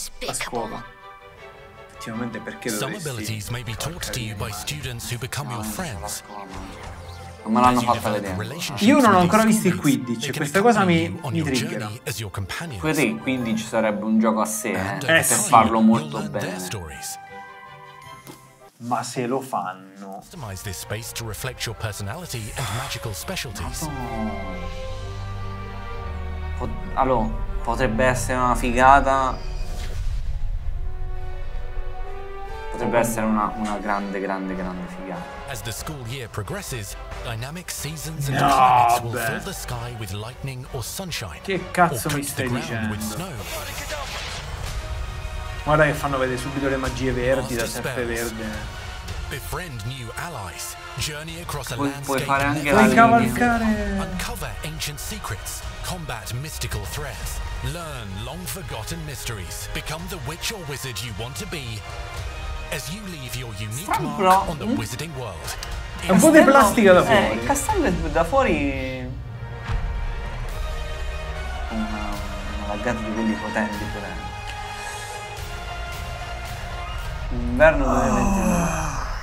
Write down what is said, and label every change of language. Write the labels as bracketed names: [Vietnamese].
[Italian] a scuola. Effettivamente, perché dovresti... [English] Some abilities may be taught to you by students who become your friends. [Italian] Non me l'hanno fatta vedere. Io non ho ancora visto il Quidditch, questa cosa mi triggera. Così il Quidditch sarebbe un gioco a sé, per farlo molto bene. Ma se lo fanno... [English] Customize this space to reflect your personality and magical specialties. [Italian] Allora, potrebbe essere una figata... Potrebbe essere una grande figata. [English] As the school year progresses, dynamic seasons and planets will fill the sky with lightning or sunshine. [Italian] Che cazzo mi stai dicendo? Guarda che fanno vedere subito le magie verdi, la serpe verde. [English] Befriend new allies. Journey across a landscape. [Italian] Puoi fare anche la cavalcare. [English] Uncover ancient secrets. Combat mystical threats. Learn long forgotten mysteries. Become the witch or wizard you want to be. As you leave your unique mark [Italian] però, [English] on the wizarding world. [Italian] È un po' di plastica da fuori. Il castello è da fuori. Una laggata di quelli potenti pure. Inverno ovviamente.